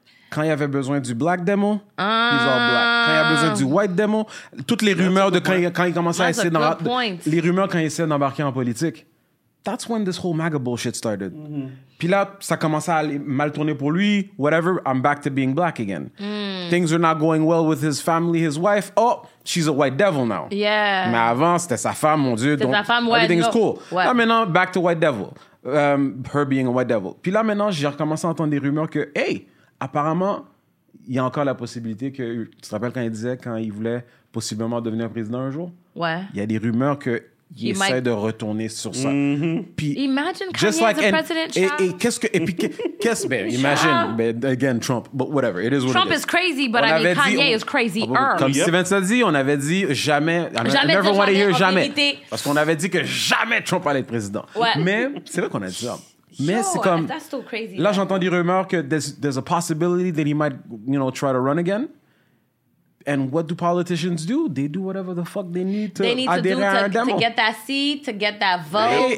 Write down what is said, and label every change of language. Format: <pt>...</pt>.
<fr>Quand il y avait besoin du black demo,</fr> <en>he's all black.</en> <fr>Quand il y a besoin du white demo, toutes les rumeurs de quand il commençait</fr> <en>that's</en> <fr>à essayer...</fr> <en>That's a good point.</en> <fr>Les rumeurs quand il essayait d'embarquer en politique.</fr> <en>That's when this whole MAGA bullshit started.</en> <fr>Mm-hmm. Puis là, ça commençait à mal tourner pour lui.</fr> <en>Whatever, I'm back to being black again. Things are not going well with his family, his wife. Oh, she's a white devil now. Yeah.</en> <fr>Mais avant, c'était sa femme, mon Dieu. C'était sa femme, ouais.</fr> <en>Everything no. is cool.</en> <fr>Ouais. Là maintenant,</fr> <en>back to white devil. Her being a white devil.</en> <fr>Puis là maintenant, j'ai recommencé à entendre des rumeurs que, hey, apparemment, il y a encore la possibilité que... Tu te rappelles quand il disait, quand il voulait possiblement devenir président un jour? Ouais. Il y a des rumeurs que... Il essaie de retourner sur ça. Mm-hmm. Puis,</fr> <en>imagine Kanye like, as a president, Trump. Again, Trump, but whatever. It is what Trump it is. Is crazy, but on I mean, Kanye is crazy-er.</en> <fr>Comme Steven s'a dit, on avait dit jamais.</fr> <en>Jamais, never want to hear jamais.</en> <fr>Parce qu'on avait dit que jamais Trump allait être président. Ouais. Mais c'est vrai qu'on a dit ça. Mais c'est comme...</fr> <en>That's so crazy.</en> <fr>Là, j'entends des rumeurs que</fr> <en>there's a possibility that he might, you know, try to run again. And what do politicians do? They do whatever the fuck they need to, to get that seat, to get that vote.</en>